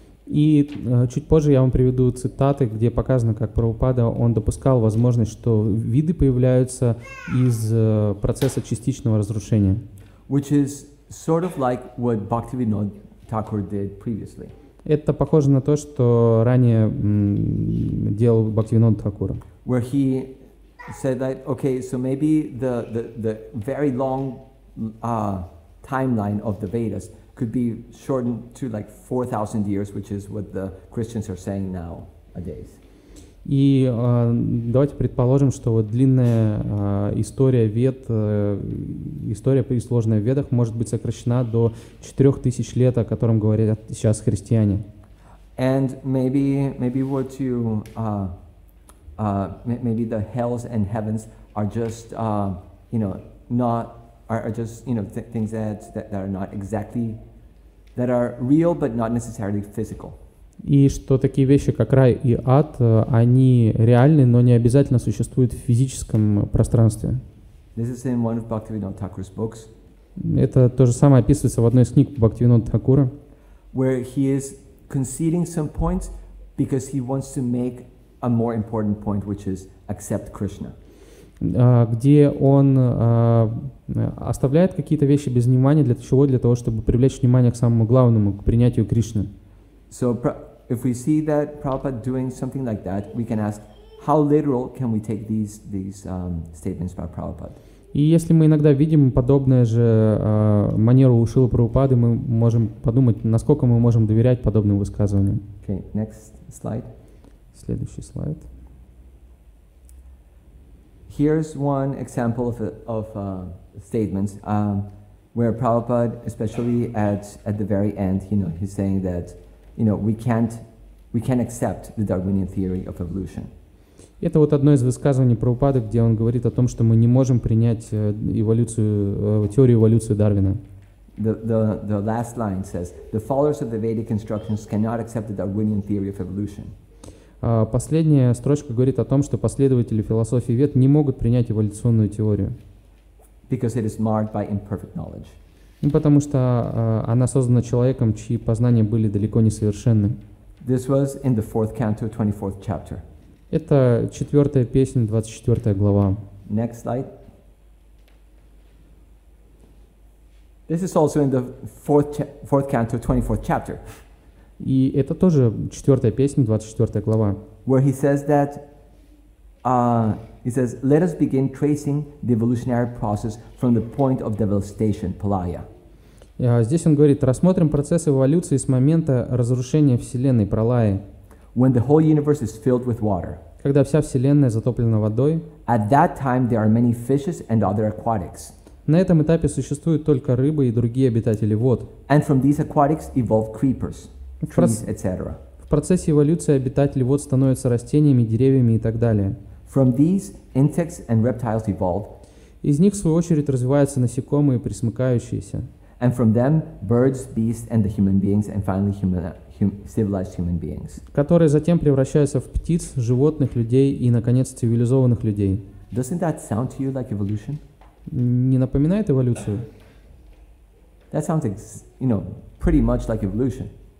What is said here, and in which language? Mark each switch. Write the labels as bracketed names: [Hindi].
[Russian] И чуть позже я вам приведу цитаты, где показано, как Прабхупада он допускал возможность, что виды появляются из процесса частичного разрушения. [English] Which is sort of like what Bhaktivinoda Thakur did previously. [Russian] Это похоже на то, что ранее делал Бхактивинод Тхакура. [English] Where he said that, okay, so maybe the very long timeline of the Vedas could be shortened to like 4,000 years, which is what the Christians are saying nowadays. [Russian] И давайте предположим, что вот длинная история вед, история, пересложенная в ведах, может быть сокращена до 4000 лет, о котором говорят сейчас христиане. [English] And maybe what you maybe the hells and heavens are just you know not are just you know things that are not exactly that are real but not necessarily physical. [Russian] И что такие вещи, как рай и ад, они реальны, но не обязательно существуют в физическом пространстве. [English] This is in one of Bhaktivinoda Thakur's books. [Russian] Это то же самое описывается в одной из книг Бхактивинода Тхакура. [English] Where he is conceding some points because he wants to make a more important point, which is accept Krishna. [Russian] Где он оставляет какие-то вещи без внимания для чего? Для того, чтобы привлечь внимание к самому главному, к принятию Кришны. [English] So, if we see that Prabhupada doing something like that, we can ask, how literal can we take these statements by Prabhupada? [Russian] И если мы иногда видим подобное же манеру у Шрилы Прабхупады, мы можем подумать, насколько мы можем доверять подобным высказываниям. [English] Okay, next slide. [Russian] Следующий слайд. [English] Here's one example of a statement where Prabhupada, especially at the very end, you know, he's saying that. You know, we can't accept the Darwinian theory of evolution. [Russian] Это вот одно из высказываний Прабхупады, где он говорит о том, что мы не можем принять эволюцию, теорию эволюции Дарвина. [English] The last line says, the followers of the Vedic instructions cannot accept the Darwinian theory of evolution. [Russian] Последняя строчка говорит о том, что последователи философии Вед не могут принять эволюционную теорию. [English] Because it is marred by imperfect knowledge. [Russian] Ну, потому что она создана человеком, чьи познания были далеко не совершенны. [English] This was in the fourth canto, 24th chapter. [Russian] Это четвертая песня, 24 глава. [English] Next slide. This is also in the fourth canto, 24th chapter. [Russian] И это тоже четвертая песня, 24 глава. [English] Where he says that, he says, let us begin tracing the evolutionary process from the point of devastation, Pralaya. [Russian] Здесь он говорит, рассмотрим процесс эволюции с момента разрушения Вселенной, Пралаи. [English] When the whole universe is filled with water. [Russian] Когда вся Вселенная затоплена водой. [English] At that time there are many fishes and other aquatics. [Russian] На этом этапе существуют только рыбы и другие обитатели вод. [English] And from these aquatics evolve creepers, trees, etc. [Russian] В процессе эволюции обитатели вод становятся растениями, деревьями и так далее. [English] From these insects and reptiles evolve. [Russian] Из них в свою очередь развиваются насекомые, пресмыкающиеся. [English] And from them, birds, beasts, and the human beings, and finally, civilized human beings. [Russian] Которые затем превращаются в птиц, животных, людей и, наконец, цивилизованных людей. [English] Doesn't that sound to you like evolution? [Russian] Не напоминает эволюцию? [English] That sounds, you know, pretty much like evolution.